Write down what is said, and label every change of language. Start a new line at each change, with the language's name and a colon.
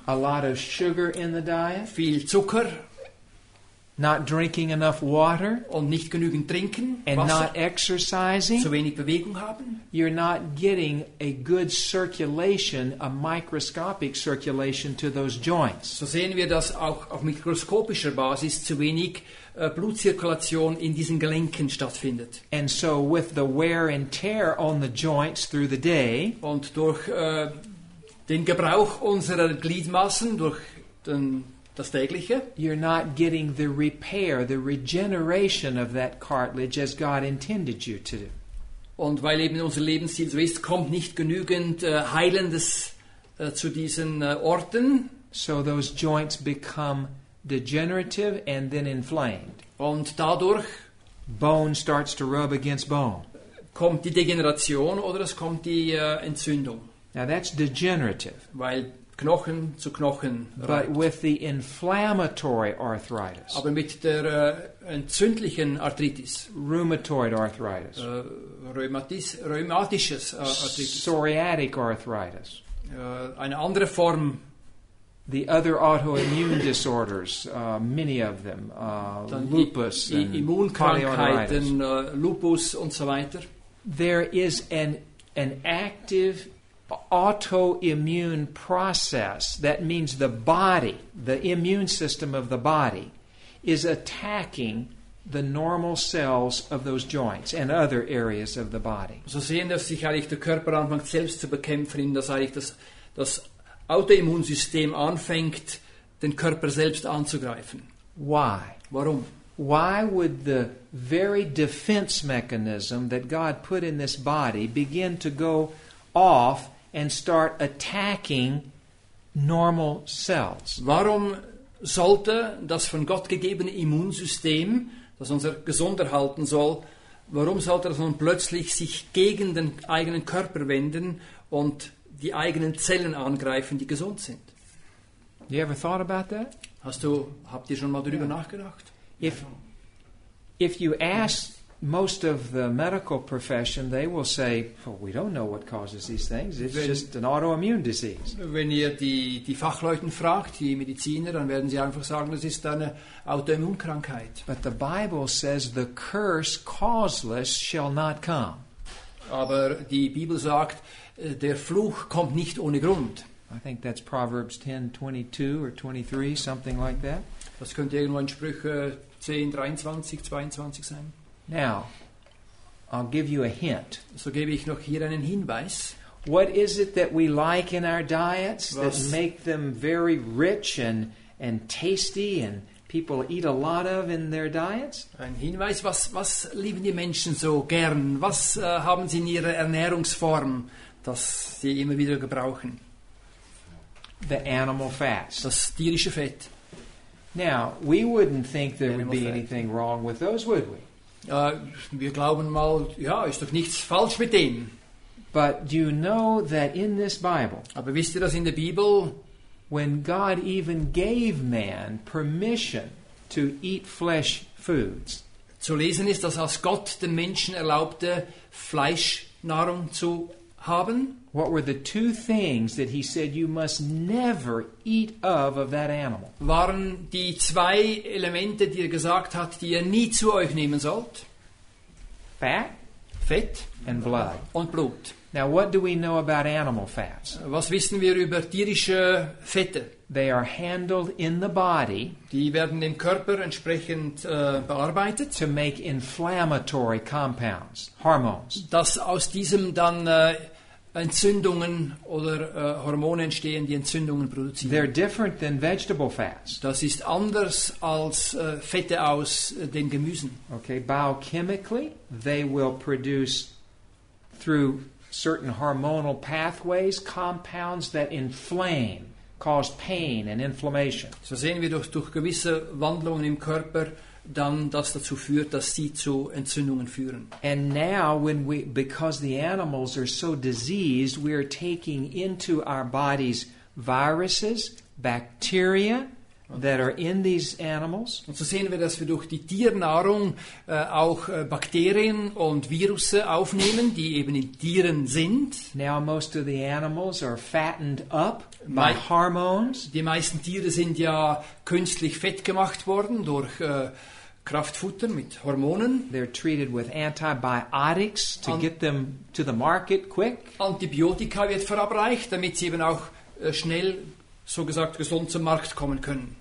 English: a lot of sugar in the diet,
German: viel Zucker,
English: not drinking enough water,
German: und nicht genügend trinken,
English: and
German: Wasser,
English: not exercising,
German: zu wenig Bewegung haben,
English: you're not getting a good circulation, a microscopic circulation to those joints.
German: So sehen wir, dass auch auf mikroskopischer Basis zu wenig Blutzirkulation in diesen Gelenken stattfindet.
English: And so with the wear and tear on the joints through the day,
German: und durch den Gebrauch unserer Gliedmassen, durch den das tägliche,
English: you're not getting the repair, the regeneration of that cartilage as God intended you to do.
German: Und weil eben unser Lebensstil so ist, kommt nicht genügend Heilendes zu diesen Orten.
English: So those joints become degenerative and then inflamed.
German: Und dadurch
English: bone starts to rub against bone.
German: Kommt die Degeneration oder es kommt die Entzündung.
English: Now that's degenerative.
German: Weil Knochen zu Knochen reibt.
English: But with the inflammatory arthritis,
German: aber mit der entzündlichen Arthritis,
English: rheumatoid arthritis,
German: rheumatisches Arthritis,
English: psoriatic arthritis,
German: eine andere Form,
English: the other autoimmune disorders, many of them, lupus,
German: Immunkrankheiten, Lupus und so weiter.
English: There is an active autoimmune process, that means the body, the immune system of the body, is attacking the normal cells of those joints and other areas of the body.
German: So sehen, dass sich eigentlich der Körper anfängt selbst zu bekämpfen, dass eigentlich das Autoimmunsystem anfängt, den Körper selbst anzugreifen.
English: Why?
German: Warum?
English: Why would the very defense mechanism that God put in this body begin to go off and start attacking normal cells?
German: Warum sollte das von Gott gegebene Immunsystem, das uns gesund erhalten soll, warum sollte das nun plötzlich sich gegen den eigenen Körper wenden und die eigenen Zellen angreifen, die gesund sind?
English: You ever thought about that?
German: Habt ihr schon mal darüber nachgedacht?
English: If you ask most of the medical profession, they will say, well, we don't know what causes these things. It's just an autoimmune disease.
German: Wenn ihr die Fachleuten fragt, die Mediziner, dann werden sie einfach sagen, es ist eine Autoimmunkrankheit.
English: But the Bible says the curse causeless shall not come.
German: Aber die Bibel sagt, der Fluch kommt nicht ohne Grund.
English: I think that's Proverbs 10:22 or 23, something like that.
German: Das könnte irgendwo in Sprüche 10:23, 22 sein.
English: Now, I'll give you a hint.
German: So gebe ich noch hier einen Hinweis.
English: What is it that we like in our diets that make them very rich and tasty and people eat a lot of in their diets?
German: Ein Hinweis, was lieben die Menschen so gern? Was haben sie in ihrer Ernährungsform, das sie immer wieder gebrauchen?
English: The animal fats.
German: Das tierische Fett.
English: Now, we wouldn't think there animal would be fat. Anything wrong with those, would we?
German: Wir glauben mal, ja, ist doch nichts falsch mit dem.
English: But do you know that in this Bible,
German: aber wisst ihr, dass in der Bibel,
English: when God even gave man permission to eat flesh foods,
German: zu lesen ist, dass als Gott den Menschen erlaubte, Fleischnahrung zu haben,
English: what were the two things that he said you must never eat of that animal?
German: Waren die zwei Elemente, die er gesagt hat, die ihr nie zu euch nehmen sollt?
English: Fat.
German: Fett.
English: And blood.
German: Und Blut.
English: Now what do we know about animal fats?
German: Was wissen wir über tierische Fette?
English: They are handled in the body.
German: Die werden im Körper entsprechend bearbeitet.
English: To make inflammatory compounds, hormones.
German: Dass aus diesem dann Entzündungen oder Hormone entstehen, die Entzündungen produzieren.
English: They're different than vegetable fats.
German: Das ist anders als Fette aus den Gemüsen.
English: Okay, biochemically, they will produce through certain hormonal pathways compounds that inflame, cause pain and inflammation.
German: So sehen wir durch gewisse Wandlungen im Körper dann das dazu führt, dass sie zu Entzündungen führen.
English: And now when we, because the animals are so diseased, we are taking into our bodies viruses, bacteria that are in these animals.
German: Und so sehen wir, dass wir durch die Tiernahrung auch Bakterien und Viren aufnehmen, die eben in Tieren sind.
English: Now most of the animals are fattened up by hormones.
German: Die meisten Tiere sind ja künstlich fett gemacht worden durch Kraftfutter mit Hormonen.
English: They're treated with antibiotics to get them to the market quick.
German: Antibiotika wird verabreicht, damit sie eben auch schnell, so gesagt, gesund zum Markt kommen können.